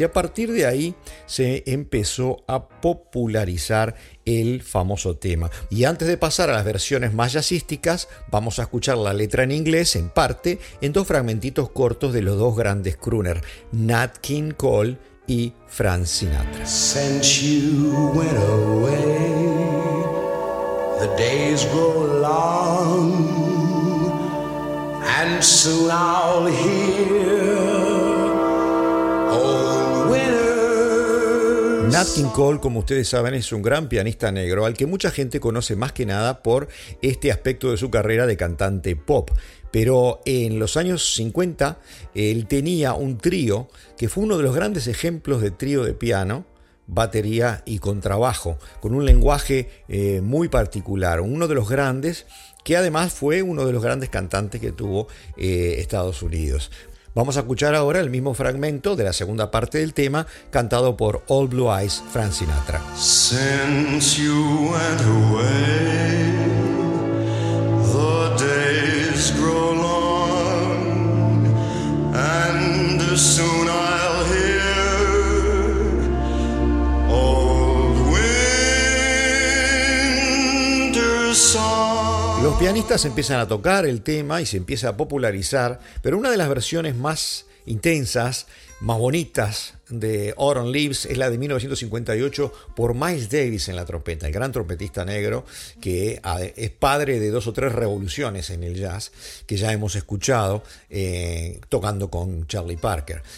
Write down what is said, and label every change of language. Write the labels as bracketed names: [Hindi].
[Spanish] Y a partir de ahí se empezó a popularizar el famoso tema. Y antes de pasar a las versiones más jazzísticas, vamos a escuchar la letra en inglés, en parte, en dos fragmentitos cortos de los dos grandes crooners, Nat King Cole y Frank Sinatra. [English] Since you went away, the days grow long, and soon I'll hear old winter. [Spanish] Nat King Cole, como ustedes saben, es un gran pianista negro al que mucha gente conoce más que nada por este aspecto de su carrera de cantante pop. Pero en los años 50 él tenía un trío que fue uno de los grandes ejemplos de trío de piano, batería y contrabajo, con un lenguaje muy particular. Uno de los grandes, que además fue uno de los grandes cantantes que tuvo Estados Unidos. Vamos a escuchar ahora el mismo fragmento de la segunda parte del tema, cantado por Old Blue Eyes, Frank Sinatra. [English] Since you went away, the days grow long, and soon I'll hear old winter song. [Spanish] Los pianistas empiezan a tocar el tema y se empieza a popularizar, pero una de las versiones más intensas, más bonitas de Autumn Leaves es la de 1958 por Miles Davis en la trompeta, el gran trompetista negro que es padre de dos o tres revoluciones en el jazz que ya hemos escuchado tocando con Charlie Parker.